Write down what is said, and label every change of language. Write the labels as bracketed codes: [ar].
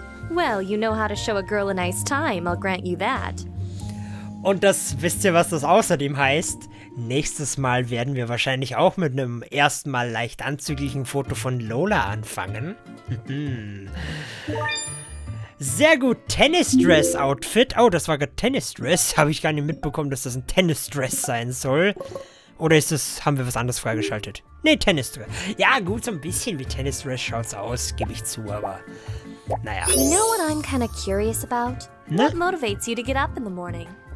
[en] Well, you know how to show a girl a nice time, I'll grant you that. [de] Und das, wisst ihr, was das außerdem heißt? Nächstes Mal werden wir wahrscheinlich auch mit einem ersten Mal leicht anzüglichen Foto von Lola anfangen. Sehr gut, Tennis-Dress-Outfit. Oh, das war gerade Tennis-Dress. Habe ich gar nicht mitbekommen, dass das ein Tennis-Dress sein soll. Oder ist das, haben wir was anderes freigeschaltet? Nee, Tennis-Dress. Ja, gut, so ein bisschen wie Tennis-Dress schaut's aus, gebe ich zu, aber... Naja. [en] You know what I'm kind of curious about? Na? What motivates you to get up in the morning?